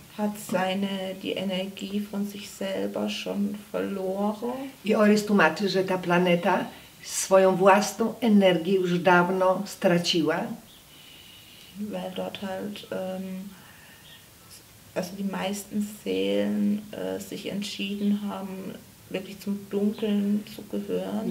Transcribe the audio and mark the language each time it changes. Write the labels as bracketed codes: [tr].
[de] Hat seine die Energie von sich selber schon verloren. [pl] I Oris tłumaczy, że ta planeta swoją własną energię już dawno straciła. [de] Weil dort halt also die meisten Seelen sich entschieden haben, wirklich zum Dunkeln zu gehören.